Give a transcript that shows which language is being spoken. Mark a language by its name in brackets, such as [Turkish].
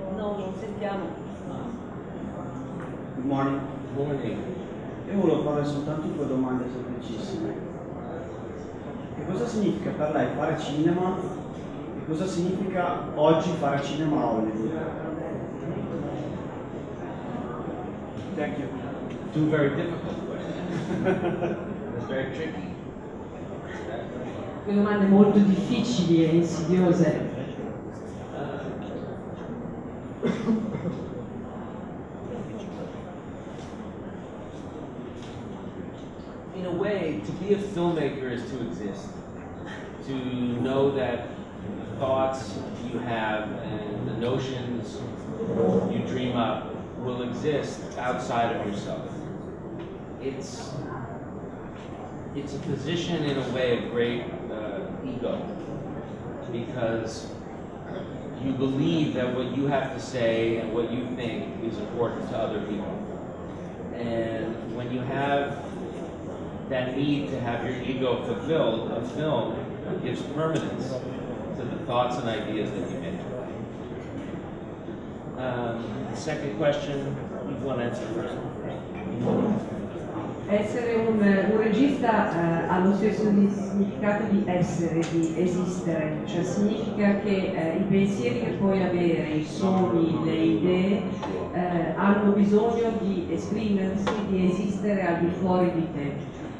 [English] Good morning. Good morning. [Italian] Io volevo fare soltanto due domande semplicissime. Che cosa significa per lei fare cinema e cosa significa oggi fare cinema a Hollywood? [English] Thank you. Two very difficult questions. That's very tricky. [Italian] Due domande molto difficili e insidiose. [English] In a way, to be a filmmaker is to exist. To know that the thoughts you have and the notions you dream up will exist outside of yourself. It's a position, in a way, of great ego, because you believe that what you have to say and what you think is important to other people. And when you have that need to have your ego fulfilled, a film gives permanence to the thoughts and ideas that you make. The second question, you want to answer first? [Italian] Essere un regista ha lo stesso significato di essere, di esistere, cioè significa che i pensieri che puoi avere, i sogni, le idee, hanno bisogno di esprimersi, di esistere al di fuori di te.